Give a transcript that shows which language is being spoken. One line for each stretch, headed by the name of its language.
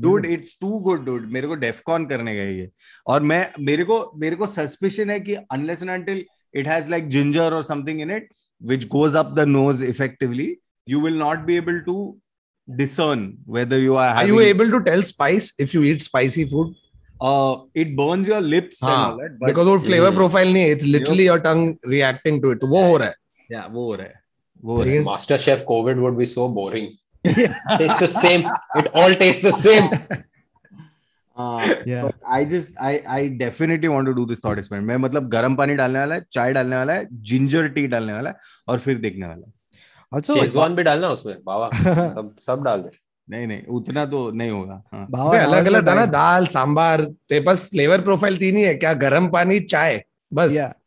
English: dude it's too good dude
Hindi: मेरे को डेफकॉन करने गए ये और मैं मेरे को सस्पिशन है कि
English: unless and until it has like ginger और something in it which goes up the nose effectively you will not be able to discern whether you are having you able to tell spice if you eat spicy food It burns your lips and all that, but because flavor profile
Hindi: नहीं,
English: it's literally your tongue reacting to it.
Hindi: तो वो हो रहा है. Yeah, वो हो रहा है. वो हो रहा है.
English: Master Chef COVID would be so boring. Tastes the same. It all tastes the same. Yeah. I definitely want to do this thought experiment.
Hindi: मैं मतलब गरम पानी डालने वाला है, चाय डालने वाला है, ginger tea डालने वाला है, और फिर देखने वाला है. Also, Chezwan भी डालना उसमें, बाबा. सब डाल दे. नहीं नहीं उतना तो नहीं होगा. हाँ. अलग अलग था ना, दाल सांबार ते बस फ्लेवर प्रोफाइल तीन ही है क्या, गरम पानी चाय बस.